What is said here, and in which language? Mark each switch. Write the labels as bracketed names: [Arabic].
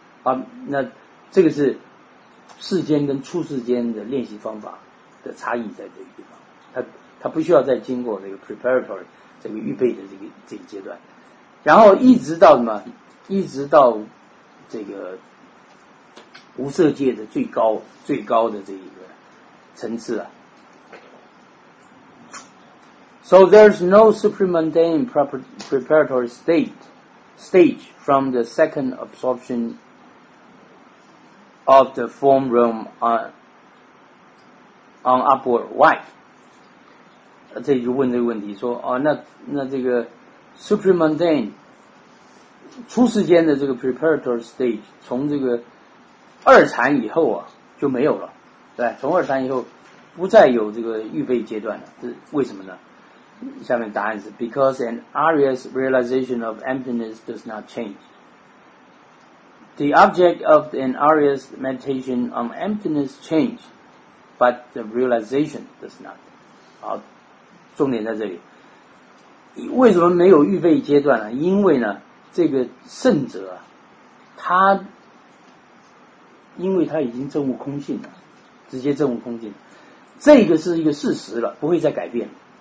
[Chinese] 好，那这个是世间跟初世间的练习方法的差异在这个地方，他不需要再经过这个 preparatory 这个预备的这个阶段，然后一直到什么？一直到这个无色界的最高的这一个层次啊。 [English] So there's no supramundane preparatory stage from the second absorption of the form realm on upward. [Chinese] Why? 这就问这个问题说哦，那这个 supramundane 初世间的这个 preparatory stage 从这个二禅以后啊就没有了，对，从二禅以后不再有这个预备阶段了，这为什么呢？下面答案是 [English] Because an Arya's realization of emptiness does not change. The object of an Arya's meditation on emptiness change, but the realization does not. [Chinese] 好，重点在这里，为什么没有预备阶段呢？因为呢这个圣者啊，他因为他已经证悟空性了，直接证悟空性了，这个是一个事实了，不会再改变了。